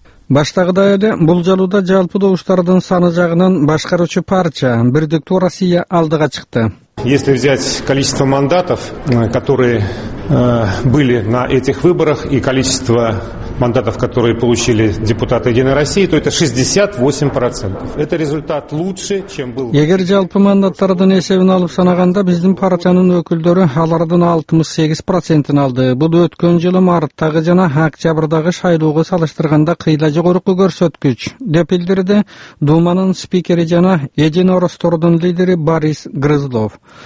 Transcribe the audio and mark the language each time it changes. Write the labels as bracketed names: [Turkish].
[Kyrgyz] Баштагыдай эле бул жолуда жалпы добуштардын саны жагынан башкаруучу партия Бирдиктүү Россия алдыга чыкты. [Russian] Если взять количество мандатов, которые были на этих выборах, и количество мандатов, которые получили депутаты Единой России, то это 68%. Это результат лучше, чем был. [Kyrgyz] Эгер жалпы мандаттардын эсебин алып санаганда биздин партиянын өкүлдөрү алардын 68% алды. Бул өткөн жылы марттагы жана октябрдагы шайлоого салыштырганда кыйла жогоруку көрсөткүч, деп билдирди Думанын спикери жана Единороссордун лидери Борис Грызлов.